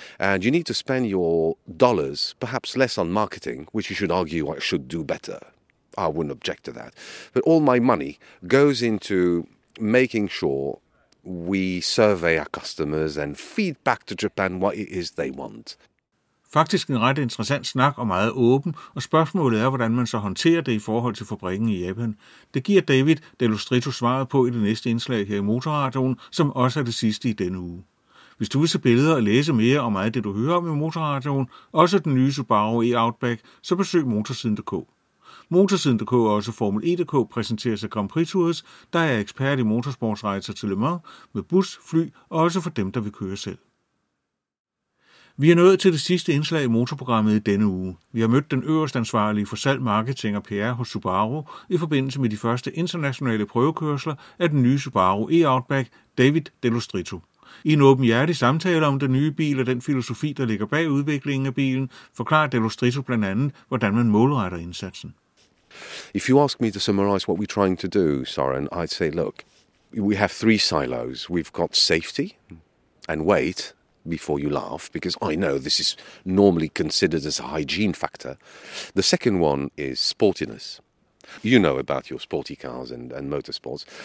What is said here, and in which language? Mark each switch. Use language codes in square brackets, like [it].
[en] And you need to spend your dollars, perhaps less on marketing, which you should argue I should do better. I wouldn't object to that. But all my money goes into making sure we survey our customers and feed back to Japan what it is they want. [da] Faktisk en ret interessant snak og meget åben, og spørgsmålet er, hvordan man så håndterer det i forhold til fabrikken i Japan. Det giver David Dellustrito svaret på i det næste indslag her i Motorradioen, som også er det sidste i denne uge. Hvis du vil se billeder og læse mere om alt det, du hører om i Motorradioen, også den nye Subaru e-Outback, så besøg motorsiden.dk. Motorsiden.dk og også Formel 1.dk præsenterer sig Grand Prix Tours, der er ekspert i motorsportsrejser til Le Mans med bus, fly og også for dem, der vil køre selv. Vi er nået til det sidste indslag i motorprogrammet i denne uge. Vi har mødt den øverste ansvarlige for salg, marketing og PR hos Subaru i forbindelse med de første internationale prøvekørsler af den nye Subaru e-Outback, David Dellostrito. I en åbenhjertig samtale om den nye bil og den filosofi, der ligger bag udviklingen af bilen, forklarer Dellostrito blandt andet, hvordan man målretter indsatsen. [en] If you ask me to summarize what we're trying to do, Søren, I'd say, look, we have three silos. We've got safety and weight. Before you laugh, because I know this is normally considered as a hygiene factor. The second one is sportiness. You know about your sporty cars and motorsports.